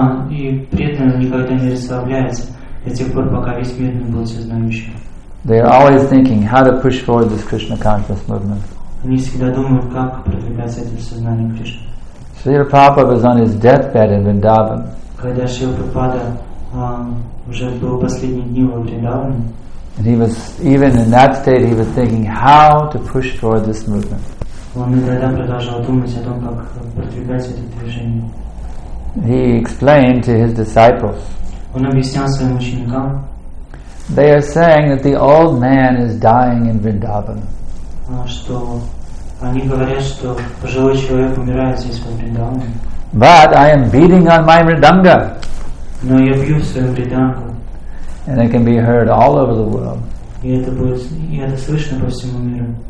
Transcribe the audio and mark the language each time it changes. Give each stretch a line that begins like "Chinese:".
Russian: И при этом никогда не расслабляется до тех пор, пока весь мир не будет сознающим.
English: They are always thinking how to push forward this Krishna conscious movement.
Russian: Они всегда думают, как продвигать это сознание Кришны.
English: Srila Prabhupada was on his deathbed in Vrindavan.
Russian: Когда Шрила Прабхупада уже был последние дни во Вриндаване.
English: And he was even in that state. He was thinking how to push forward this movement.
Russian: Он и тогда продолжал думать о том, как продвигать это движение.
English: He explained to his disciples.
Russian: Он объяснял своим ученикам.
English: They are saying that the old man is dying in Vrindavan.
Russian: Что они говорят, что пожилой человек умирает здесь во Вриндаване.
English: But I am beating on my mridanga.
Russian: Но я бью свою мридангу.
English: And it can be heard all over the world.
Russian: И это слышно по всему миру.